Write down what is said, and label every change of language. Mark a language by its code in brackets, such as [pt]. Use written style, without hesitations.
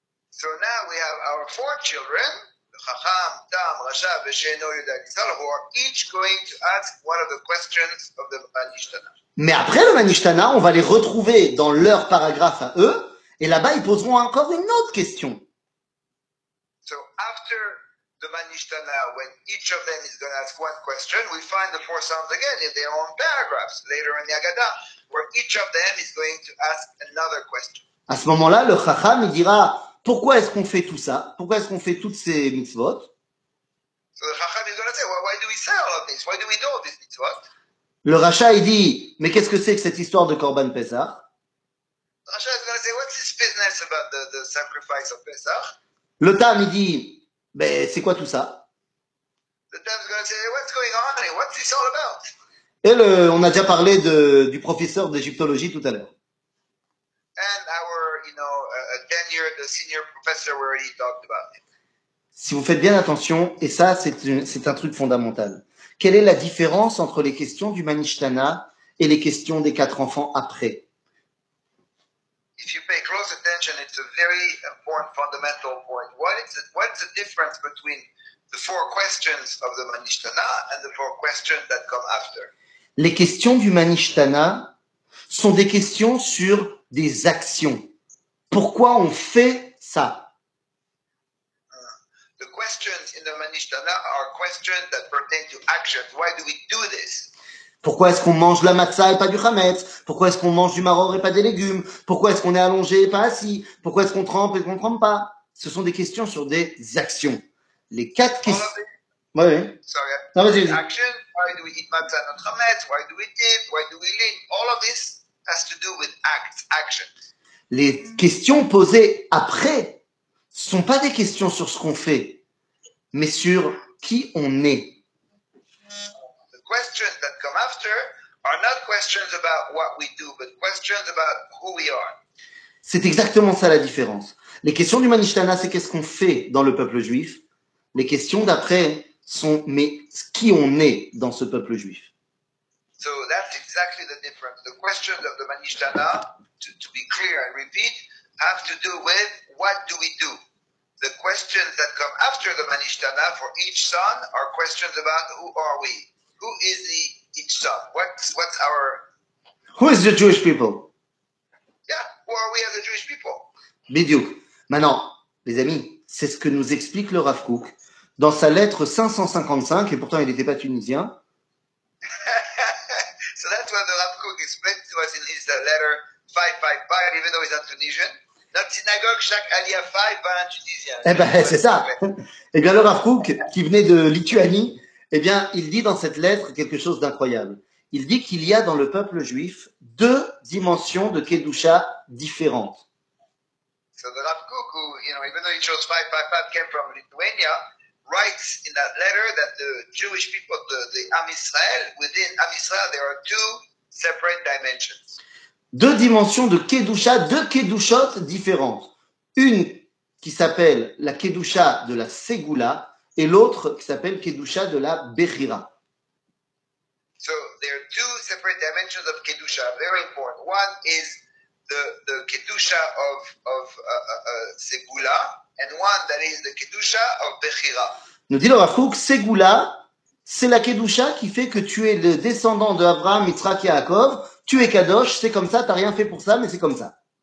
[en] So now we have our four children, Chacham, Tam, Racha, Sheino et Alishol, who are each going to ask one of the questions of the Manishtana. [fr] Mais après le Manishtana, on va les retrouver dans leur paragraphe à eux, et là-bas, ils poseront encore une autre question. [en] So after the Manishtana, when each of them is going to ask one question, we find the four sons again in their own paragraphs, later in the Haggadah, where each of them is going to ask another question. [fr] À ce moment-là, le Chacham dira, pourquoi est-ce qu'on fait tout ça? Pourquoi est-ce qu'on fait toutes ces mitzvot? [en] So the Chacham is going to say, well, why do we say all of this? Why do we do all these mitzvot? [fr] Le Racha, il dit, mais qu'est-ce que c'est que cette histoire de Korban Pesach? [en] Racha is going to say, what's this business about the sacrifice of Pesach? [fr] Le Tam, il dit, ben, c'est quoi tout ça? [en] The Tam's going to say, what's going on? And what's this all about? [fr] Et le, on a déjà parlé du professeur d'égyptologie tout à l'heure. [en] And our, you know, a tenured senior professor, we already talked about it. [fr] Si vous faites bien attention, et ça, c'est un truc fondamental. Quelle est la différence entre les questions du Manishtana et les questions des quatre enfants après? [en] If you pay close attention, it's a very important fundamental point. What's the difference between the four questions of the Manishtana and the four questions that come after? [fr] Les questions du Manishtana sont des questions sur des actions. Pourquoi on fait ça? [en] The questions in the Manishtana are questions that pertain to actions. Why do we do this? [fr] Pourquoi est-ce qu'on mange la matzah et pas du chametz? Pourquoi est-ce qu'on mange du maror et pas des légumes? Pourquoi est-ce qu'on est allongé et pas assis? Pourquoi est-ce qu'on trempe et qu'on ne trempe pas? Ce sont des questions sur des actions. Les quatre questions. Oui. [en] Sorry. [fr] Non, vas-y. [en] Action. Why do we eat matzah not chametz? Why do we dip? Why do we lean? All of this has to do with acts, actions. [fr] Les questions posées après sont pas des questions sur ce qu'on fait, mais sur qui on est. [en] Questions that come after are not questions about what we do, but questions about who we are. [fr] C'est exactement ça la différence. Les questions du Manishtana, c'est qu'est-ce qu'on fait dans le peuple juif. Les questions d'après sont mais qui on est dans ce peuple juif. [en] So that's exactly the difference. The questions of the Manishtana, to be clear, I repeat, have to do with what do we do. The questions that come after the Manishtana for each son are questions about who are we. Who is the each son? What's our? Who is the Jewish people? Yeah, who are we as a Jewish people? [he] Bidiouk. [fr] Maintenant, les amis, c'est ce que nous explique le Rav Kook dans sa lettre 555, et pourtant il n'était pas tunisien. [en] So that's what the Rav Kook explained to us in his letter 555, even though he's not Tunisian. [fr] Notre synagogue, chaque aliyah 5, pas un tunisien. Eh bien, c'est ça. Ça. Eh bien, le Rav Kook, qui venait de Lituanie, eh bien, il dit dans cette lettre quelque chose d'incroyable. Il dit qu'il y a dans le peuple juif deux dimensions de Kedusha différentes. [en] So the Rav Kook, who, you know, even though he chose 555, came from Lithuania, writes in that letter that the Jewish people, the Am Israel, within Am Israel, there are two separate dimensions. [fr] Deux dimensions de Kedusha, deux Kedushot différentes. Une qui s'appelle la Kedusha de la Segula, et l'autre qui s'appelle Kedusha de la Bechira. [en] So there are two separate dimensions of Kedusha, very important. One is the Kedusha of Segula, and one that is the Kedusha of Bechira. [fr] Nous dit le Rav Kook, Segula, c'est la Kedusha qui fait que tu es le descendant de Abraham, Yitzhak, Yaakov, tu es Kadosh, c'est comme ça, tu n'as rien fait pour ça, mais c'est comme ça.